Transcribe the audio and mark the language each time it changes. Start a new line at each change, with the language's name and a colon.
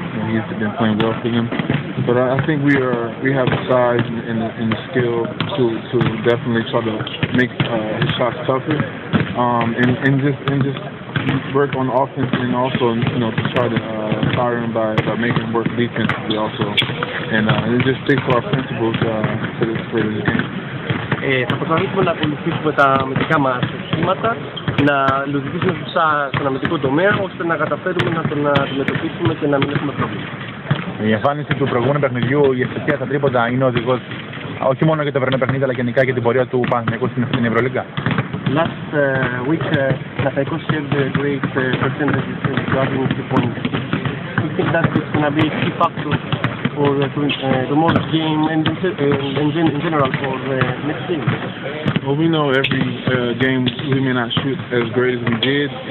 English: He's been playing well for them, but I think we have the size and the skill to definitely try to make his shots tougher and just work on offense and also to try to tire him by making him work defensively also. And just stick to our principles for this game.
Greek: Θα προσπαθήσουμε να ακολουθήσουμε τα αμυντικά μας σχήματα, να λειτουργήσουμε σωστά στον αμυντικό τομέα, ώστε να καταφέρουμε να τον αντιμετωπίσουμε και να μην έχουμε πρόβλημα. Η εμφάνιση του προηγούμενου παιχνιδιού, η ευθυσία στα τρίποντα, είναι οδηγός όχι μόνο για το περνό παιχνίδι, αλλά γενικά για την πορεία του Παναθηναϊκού στην Ευρωλίγκα.
English: Last week, Παναθηναϊκός had the great percentage regarding the points. Do you think that it's going to be a key factor for tomorrow's game and in general for the next game? Well, we know every game we may not shoot as great as we did.